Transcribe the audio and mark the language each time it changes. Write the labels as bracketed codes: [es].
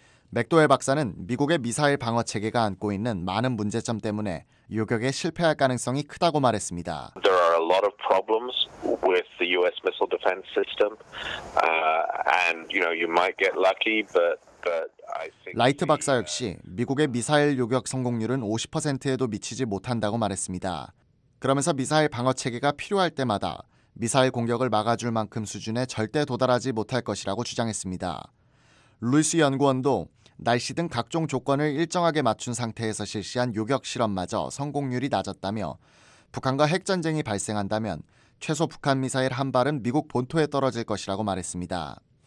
[ko] 맥도웰 박사는 미국의 미사일 방어 체계가 안고 있는 많은 문제점 때문에 요격에 실패할 가능성이 크다고 말했습니다. [en] There are a lot of problems with the US missile defense system. And you know, you might get lucky, but I think [ko] 라이트 박사 역시 미국의 미사일 요격 성공률은 50%에도 미치지 못한다고 말했습니다. 그러면서 미사일 방어 체계가 필요할 때마다 미사일 공격을 막아줄 만큼 수준에 절대 도달하지 못할 것이라고 주장했습니다. 루이스 연구원도 날씨 등 각종 조건을 일정하게 맞춘 상태에서 실시한 요격 실험마저 성공률이 낮았다며 북한과 핵전쟁이 발생한다면 최소 북한 미사일 한 발은 미국 본토에 떨어질 것이라고 말했습니다.